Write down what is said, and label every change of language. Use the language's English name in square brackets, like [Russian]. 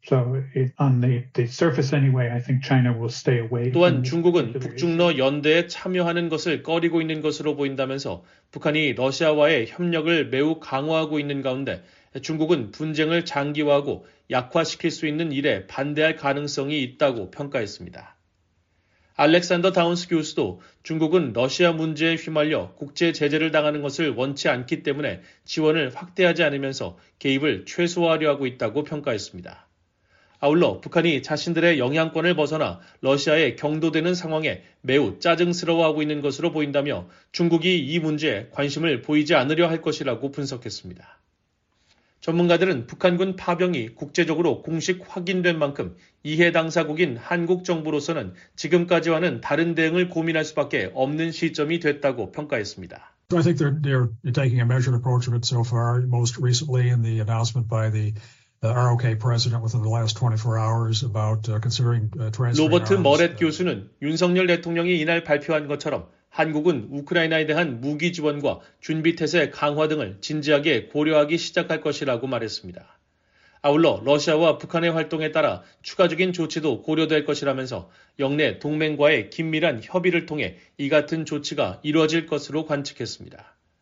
[English] So on the surface anyway, I think China will stay away. [Korean] 또한 중국은 북중러 연대에 참여하는 것을 꺼리고 있는 것으로 보인다면서 북한이 러시아와의 협력을 매우 강화하고 있는 가운데 중국은 분쟁을 장기화하고 약화시킬 수 있는 일에 반대할 가능성이 있다고 평가했습니다. 알렉산더 다운스 교수도 중국은 러시아 문제에 휘말려 국제 제재를 당하는 것을 원치 않기 때문에 지원을 확대하지 않으면서 개입을 최소화하려 하고 있다고 평가했습니다. 아울러 북한이 자신들의 영향권을 벗어나 러시아에 경도되는 상황에 매우 짜증스러워하고 있는 것으로 보인다며 중국이 이 문제에 관심을 보이지 않으려 할 것이라고 분석했습니다. 전문가들은 북한군 파병이 국제적으로 공식 확인된 만큼 이해 당사국인 한국 정부로서는 지금까지와는 다른 대응을 고민할 수밖에 없는 시점이 됐다고 평가했습니다. [English] So I think they're taking a measured approach of it so far, most recently in the announcement by the ROK president within the last 24 hours about considering transferring [Korean] 로버트 머렛 교수는 윤석열 대통령이 이날 발표한 것처럼 한국은 우크라이나에 대한 무기 지원과 준비태세 강화 등을 진지하게 고려하기 시작할 것이라고 말했습니다. 아울러 러시아와 북한의 활동에 따라 추가적인 조치도 고려될 것이라면서 영내 동맹과의 긴밀한 협의를 통해 이 같은 조치가 이루어질 것으로 관측했습니다.